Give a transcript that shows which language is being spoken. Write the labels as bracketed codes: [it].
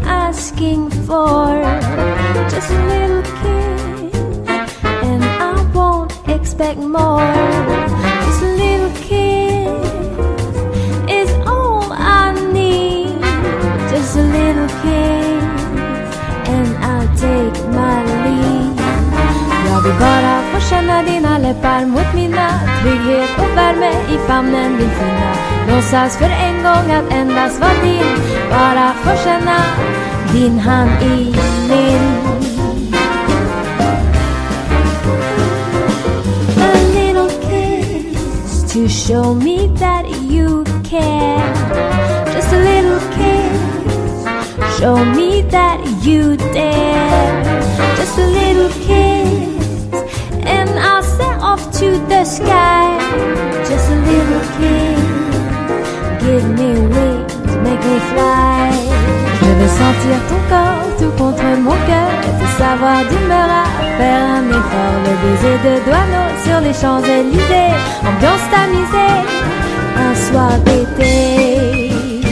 [en] asking for just a little kiss, and I won't expect more. Just a little kiss is all I need. Just a little kiss, and I'll take my leave. [sv] Jag vill bara få känna dina läppar mot mina, trygghet och värme i famnen din fina. Låtsas för en gång att endast vara din, bara få känna din hand i min. [en] A little kiss to show me that you care. Just a little kiss, show me that you dare. Just a little kiss, and I'll set off to the sky. Just a little kiss, give me wings, make me fly. [fr] Je veux sentir ton corps tout contre mon cœur, te savoir d'humeur à faire un effort. Le baiser de douaneau sur les Champs-Élysées, ambiance tamisée, un soir d'été.